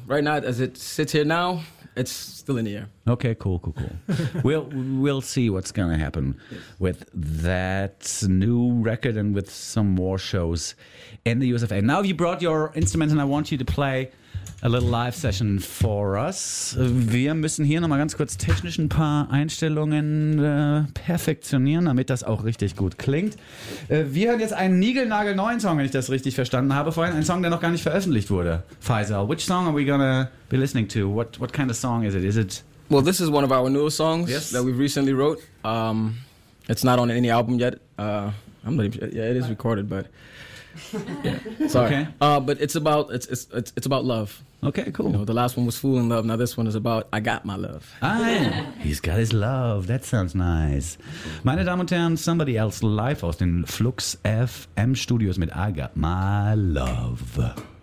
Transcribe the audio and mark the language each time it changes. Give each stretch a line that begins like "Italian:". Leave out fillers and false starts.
English: Right now, as it sits here now... It's still in the air. Okay, cool. We'll see what's going to happen with that new record and with some more shows in the USFA. Now you brought your instruments and I want you to play a little live session for us.
German: Wir müssen hier nochmal ganz kurz technisch ein paar Einstellungen perfektionieren, damit das auch richtig gut klingt. Wir hören jetzt einen niegelnagelneuen Song, wenn ich das richtig verstanden habe. Vorhin ein Song, der noch gar nicht veröffentlicht wurde.
English: Faisal, which song are we gonna be listening to? What kind of song is it? Is it? Well, this is one of our newest songs yes. that we've recently wrote. It's not on any album yet. I'm not even sure. Yeah, it is recorded, but... Yeah. Sorry. Okay. But it's about love. Okay, cool. You know, the last one was Fool in Love. Now this one is about I got my love. He's got his love. That sounds nice.
German: Meine Damen und Herren, Somebody Else live aus den Flux FM Studios mit I Got My Love.